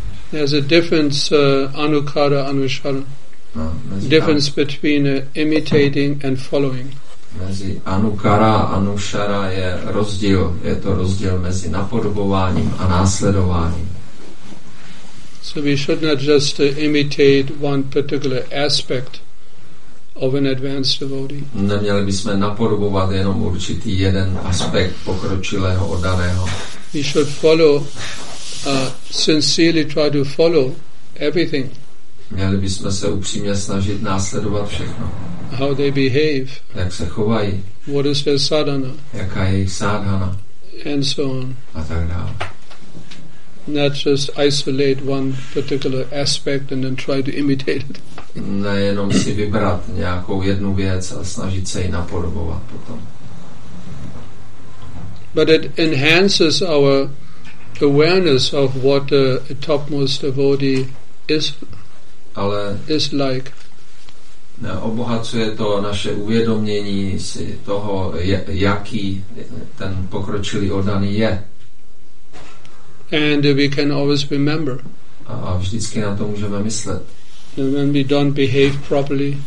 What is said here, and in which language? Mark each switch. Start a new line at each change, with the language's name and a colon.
English: There's a difference, anukara, anusharana. Difference between imitating and following.
Czech: Mezi anukara a anushara je rozdíl. Je to rozdíl mezi napodobováním a následováním.
English: So we should not just imitate one particular aspect of an advanced devotee.
Czech: Neměli bychom napodobovat jenom určitý jeden aspekt pokročilého oddaného.
English: We should follow. Sincerely try to follow everything.
Czech: Měli bychom se upřímně snažit následovat všechno.
English: How they behave.
Czech: Jak se chovají.
English: What is their sadhana.
Czech: Jaká je jejich sadhana.
English: And so on.
Czech: A tak dále.
English: Not just isolate one particular aspect and then try to imitate it.
Czech: Nejenom si vybrat nějakou jednu věc a snažit se ji napodobovat potom.
English: But it enhances our awareness of what a topmost devotee is like.
Czech: Ne, obohacuje to naše uvědomění si toho, jaký ten pokročilý oddaný je.
English: And we can always remember.
Czech: A vždycky na to můžeme myslet.
English: And when we don't behave properly,